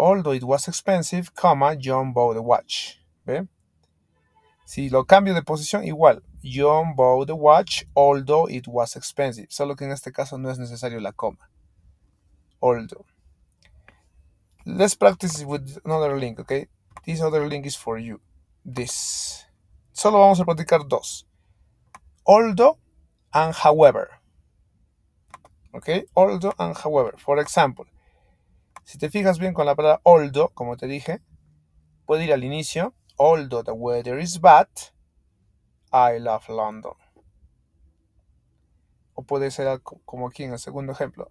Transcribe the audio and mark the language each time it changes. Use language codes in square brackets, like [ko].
[en] Although it was expensive, comma, John bought the watch. ¿Ve? [es] Si lo cambio de posición, igual. [en] John bought the watch, although it was expensive. [es] Solo que en este caso no es necesario la coma. [en] Although. Let's practice with another link, okay? This other link is for you. This. [es] Solo vamos a practicar dos. [en] Although and however. Okay? Although and however. For example, [es] si te fijas bien con la palabra although, como te dije, puede ir al inicio. [en] Although the weather is bad, I love London. [es] O puede ser como aquí en el segundo ejemplo.